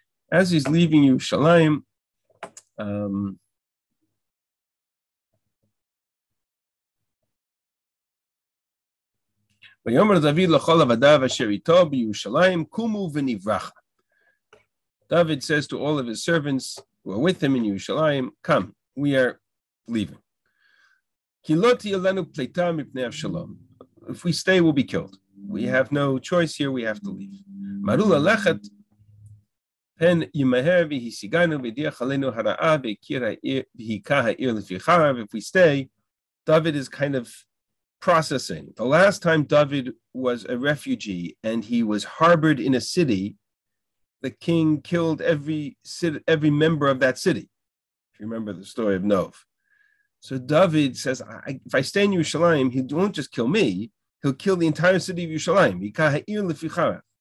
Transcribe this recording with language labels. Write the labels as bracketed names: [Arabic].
[Hebrew] As he's leaving Yerushalayim, ויאמר דוד לכל עבדיו אשר איתו בירושלים, קומו ונברחה. [English] David says to all of his servants who are with him in Yerushalayim, come, we are leaving. [Hebrew] כי לא תהיה לנו פליטה מפני אבשלום. [English] If we stay, we'll be killed. We have no choice here, we have to leave. [Hebrew] מרו ללכת, פן ימהר והשיגנו ודיח עלינו הרעה והיכה העיר לפיכר. [English] If we stay, David is kind of processing. The last time David was a refugee and he was harbored in a city, the king killed every member of that city. If you remember the story of Nov. So David says, if I stay in Yerushalayim, he won't just kill me, he'll kill the entire city of Yerushalayim.